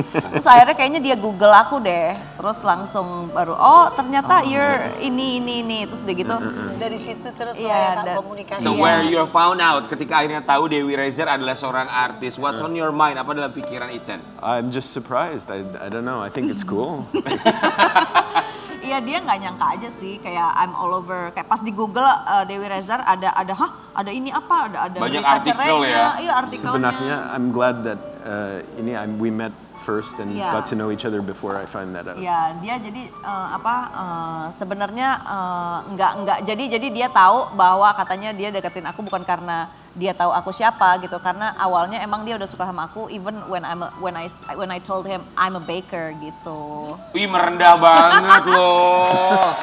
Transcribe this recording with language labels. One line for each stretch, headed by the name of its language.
Indonesian: Terus akhirnya kayaknya dia Google aku deh. Terus langsung baru, oh ternyata you're ini. Terus udah gitu. Dari situ terus komunikasi.
English: So where you found out,
Indonesian: ketika akhirnya tahu Dewi Rezer adalah seorang artis.
English: What's on your mind?
Indonesian: Apa dalam pikiran Ethan?
English: I'm just surprised. I don't know. I think it's cool.
Indonesian: Iya dia nggak nyangka aja sih kayak
English: I'm all over
Indonesian: kayak pas di Google Dewi Rezer ada hah ada ini apa ada banyak artikel ya. Iya artikelnya sebenarnya
English: I'm glad that we met first and got to know each other before I find that out.
Indonesian: Iya dia jadi sebenarnya nggak jadi dia tahu bahwa katanya dia deketin aku bukan karena dia tahu aku siapa gitu karena awalnya emang dia udah suka sama aku
English: even when I told him I'm a baker
Indonesian: gitu. Wih merendah banget loh.